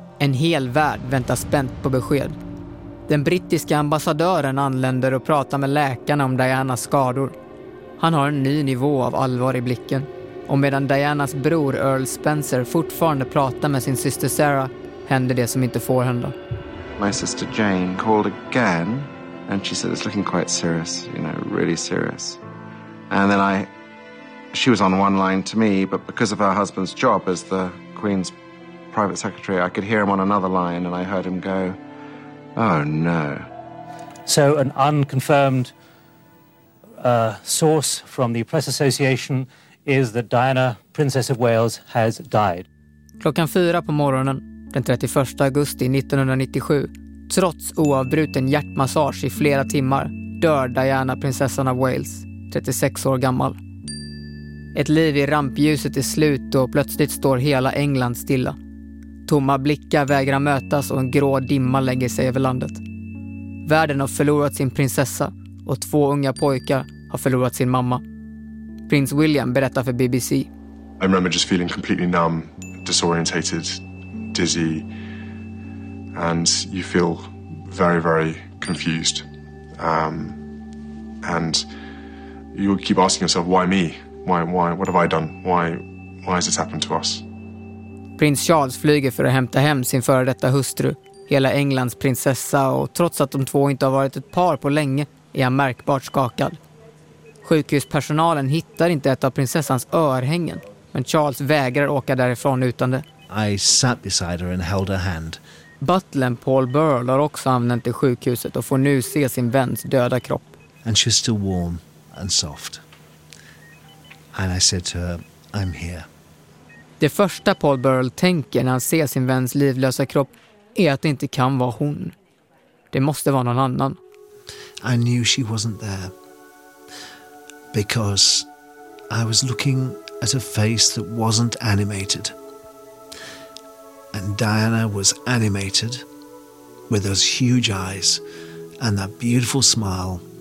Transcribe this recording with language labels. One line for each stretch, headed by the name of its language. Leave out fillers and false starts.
Swedish: En hel värld väntar spänt på besked. Den brittiska ambassadören anländer och pratar med läkarna om Dianas skador. Han har en ny nivå av allvar i blicken. Och medan Dianas bror Earl Spencer fortfarande pratar med sin syster Sarah händer det som inte får hända.
English: My sister Jane called again and she said it's looking quite serious, you know, really serious. And then she was on one line to me, but because of her husband's job as the Queen's private secretary, I could hear him on another line and I heard him go, oh no. So an unconfirmed source from the press association is that Diana, Princess of Wales, has died.
Swedish: Klockan 4 på morgonen. Den 31 augusti 1997, trots oavbruten hjärtmassage i flera timmar, dör Diana, prinsessan av Wales, 36 år gammal. Ett liv i rampljuset är slut och plötsligt står hela England stilla. Tomma blickar vägrar mötas och en grå dimma lägger sig över landet. Världen har förlorat sin prinsessa och två unga pojkar har förlorat sin mamma. Prins William berättar för BBC.
English: I remember just feeling completely numb, disorientated, dizzy, and you feel very, very confused. And you keep asking yourself, why me? Why, what have I done? Why has this happened to us?
Swedish: Prins Charles flyger för att hämta hem sin före detta hustru, hela Englands prinsessa, och trots att de två inte har varit ett par på länge är han märkbart skakad. Sjukhuspersonalen hittar inte ett av prinsessans örhängen, men Charles vägrar åka därifrån utan det.
English: I sat beside her and held her hand.
Swedish: Butlern Paul Burrell har också anlänt till sjukhuset och får nu se sin väns döda kropp.
English: And she was still warm and soft. And I said to her, I'm here.
Swedish: Det första Paul Burrell tänker när han ser sin väns livlösa kropp är att det inte kan vara hon. Det måste vara någon annan.
English: I knew she wasn't there because I was looking at a face that wasn't animated. And Diana was animated with those huge eyes and that beautiful smile.